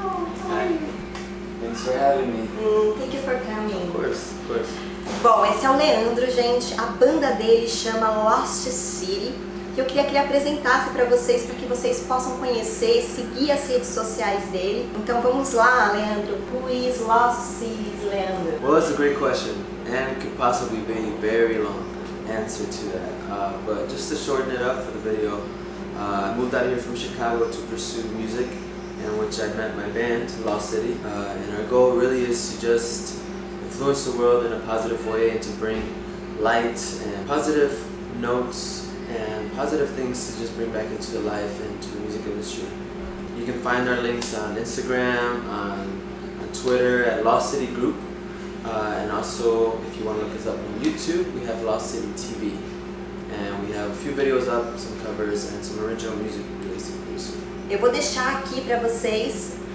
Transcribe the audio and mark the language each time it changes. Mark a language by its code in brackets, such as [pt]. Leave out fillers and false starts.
[en] hi. Thanks for having me. Thank you for coming. Of course, of course. [pt] Bom, esse é o Leandro, gente. A banda dele chama Lost City. E eu queria que ele apresentasse pra vocês, pra que vocês possam conhecer e seguir as redes sociais dele. Então vamos lá, Leandro. [en] Who is Lost City, Leandro? Well, that's a great question. And it could possibly be a very long answer to that. But just to shorten it up for the video, I moved out here from Chicago to pursue music, in which I met my band, Lost City. And our goal really is to just influence the world in a positive way and to bring light and positive notes and positive things to just bring back into the life and to the music industry. You can find our links on Instagram, on Twitter at Lost City Group, and also if you want to look us up on YouTube, we have Lost City TV. And we have a few videos up, some covers and some original music released in the soon. [pt] Eu vou deixar aqui para vocês.